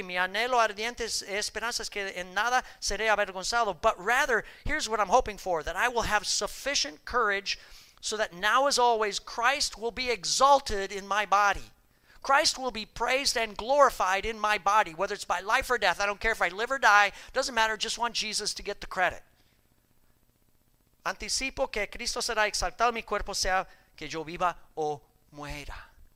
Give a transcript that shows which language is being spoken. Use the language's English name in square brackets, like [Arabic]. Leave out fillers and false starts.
[Spanish] Mi anhelo ardiente esperanza es que en nada seré avergonzado. [English] But rather, here's what I'm hoping for, that I will have sufficient courage so that now as always, Christ will be exalted in my body. Christ will be praised and glorified in my body, whether it's by life or death. I don't care if I live or die. Doesn't matter. Just want Jesus to get the credit. [Spanish] Anticipo que Cristo será exaltado en mi cuerpo, sea que yo viva o muera.